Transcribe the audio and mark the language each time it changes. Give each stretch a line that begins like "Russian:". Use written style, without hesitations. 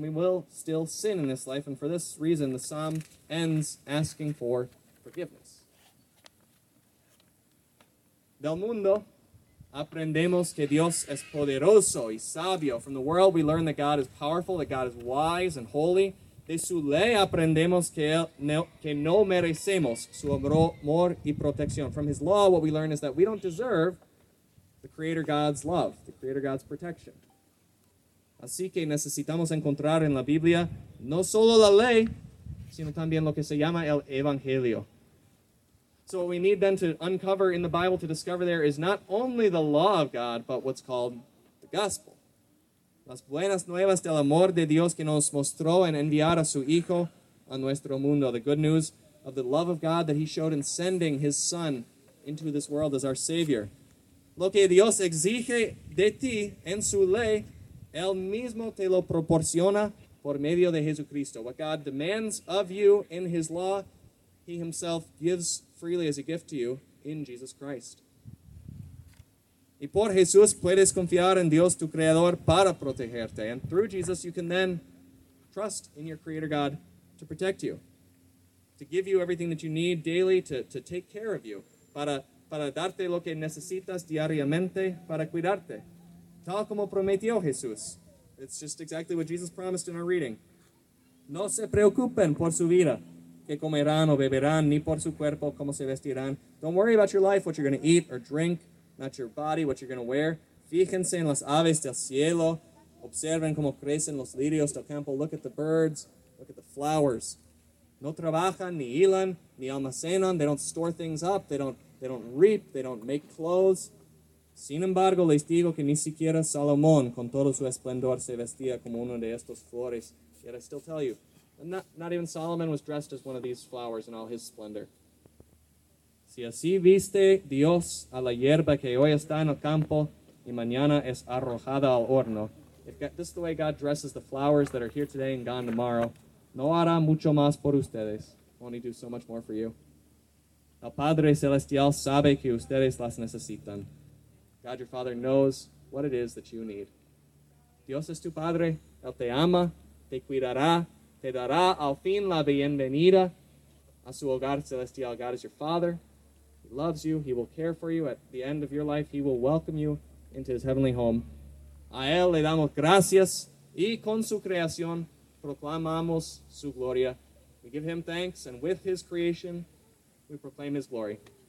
English: We will still sin in this life. And for this reason, the psalm ends asking for forgiveness.
Spanish: Del mundo, aprendemos que Dios es poderoso y sabio.
English: From the world, we learn that God is powerful, that God is wise and holy.
Spanish: De su ley, aprendemos que no merecemos su amor y protección.
English: From his law, what we learn is that we don't deserve the Creator God's love, the Creator God's protection.
Spanish: Así que necesitamos encontrar en la Biblia no solo la ley, sino también lo que se llama el Evangelio.
English: So what we need then to uncover in the Bible, to discover there, is not only the law of God, but what's called the gospel.
Spanish: Las buenas nuevas del amor de Dios que nos mostró en enviar a su Hijo a nuestro mundo.
English: The good news of the love of God that he showed in sending his Son into this world as our Savior.
Spanish: Lo que Dios exige de ti en su ley, Él mismo te lo proporciona por medio de Jesucristo.
English: What God demands of you in his law, he himself gives freely as a gift to you in Jesus Christ.
Spanish: Y por Jesús puedes confiar en Dios tu Creador para protegerte.
English: And through Jesus you can then trust in your Creator God to protect you, to give you everything that you need daily, to take care of you,
Spanish: para darte lo que necesitas diariamente para cuidarte. Tal como prometió Jesús.
English: It's just exactly what Jesus promised in our reading.
Spanish: No se preocupen por su vida, que comerán o beberán, ni por su cuerpo, cómo se vestirán.
English: Don't worry about your life, what you're going to eat or drink, not your body, what you're going to wear.
Spanish: Fíjense en las aves del cielo. Observen cómo crecen los lirios del campo.
English: Look at the birds. Look at the flowers.
Spanish: No trabajan, ni hilan, ni almacenan.
English: They don't store things up. They don't reap. They don't make clothes.
Spanish: Sin embargo, les digo que ni siquiera Salomón, con todo su esplendor, se vestía como uno de estos flores.
English: Yet I still tell you, not even Solomon was dressed as one of these flowers in all his splendor.
Spanish: Si así viste Dios a la hierba que hoy está en el campo y mañana es arrojada al horno,
English: if this is the way God dresses the flowers that are here today and gone tomorrow,
Spanish: no hará mucho más por ustedes.
English: Won't he do so much more for you?
Spanish: El Padre Celestial sabe que ustedes las necesitan.
English: God, your Father, knows what it is that you need.
Spanish: Dios es tu Padre. Él te ama. Te cuidará. Te dará al fin la bienvenida a su hogar celestial.
English: God is your Father. He loves you. He will care for you. At the end of your life, he will welcome you into his heavenly home.
Spanish: A él le damos gracias y con su creación proclamamos su gloria.
English: We give him thanks, and with his creation, we proclaim his glory.